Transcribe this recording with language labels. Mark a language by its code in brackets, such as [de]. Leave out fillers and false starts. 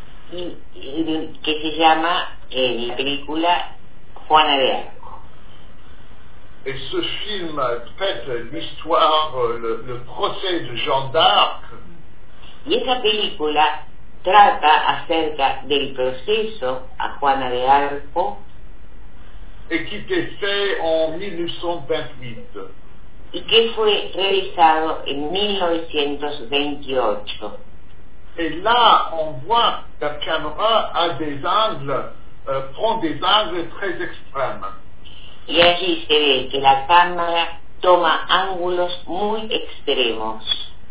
[es] Que se llama la película Juana de Arco. [fr] Et ce film traite l'histoire, le procès de Jeanne d'Arc. [es] Esta película trata acerca del proceso a Juana de Arco. [fr] Et qui était fait en 1928. [es] Y que fue realizado en 1928. [fr] Et là, on voit que la caméra a des angles, prend des angles très extrêmes. [es] Y allí se ve que la cámara toma ángulos muy extremos.